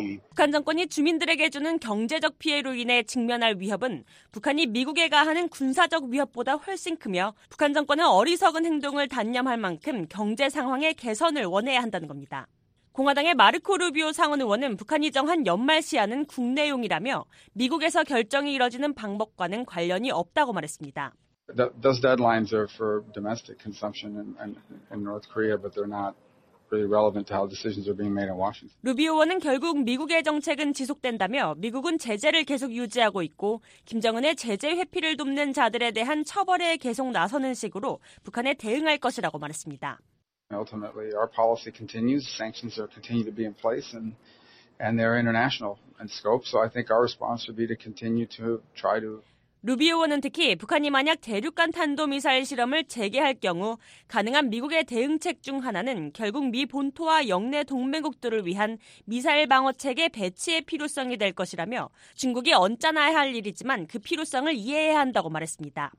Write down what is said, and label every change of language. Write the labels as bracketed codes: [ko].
[ko] 북한 정권이 주민들에게 주는 경제적 피해로 인해 직면할 위협은 북한이 미국에 가하는 군사적 위협보다 훨씬 크며 북한 정권은 어리석은 행동을 단념할 만큼 경제 상황의 개선을 원해야 한다는 겁니다. 공화당의 마르코 루비오 상원 의원은 북한이 정한 연말 시한은 국내용이라며 미국에서 결정이 이뤄지는 방법과는 관련이 없다고 말했습니다. [en] Those deadlines are for domestic consumption in North Korea, but they're not really relevant to how decisions are being made in Washington. [ko] 루비오 의원은 결국 미국의 정책은 지속된다며 미국은 제재를 계속 유지하고 있고 김정은의 제재 회피를 돕는 자들에 대한 처벌에 계속 나서는 식으로 북한에 대응할 것이라고 말했습니다. [en] Ultimately, our policy continues. Sanctions are continue to be in place, and they're international in scope. So I think our response would be to continue to try to. [ko] 루비오 의원은 특히 북한이 만약 대륙간 탄도미사일 실험을 재개할 경우 가능한 미국의 대응책 중 하나는 결국 미 본토와 영내 동맹국들을 위한 미사일 방어체계 배치의 필요성이 될 것이라며 중국이 언짢아야 할 일이지만 그 필요성을 이해해야 한다고 말했습니다.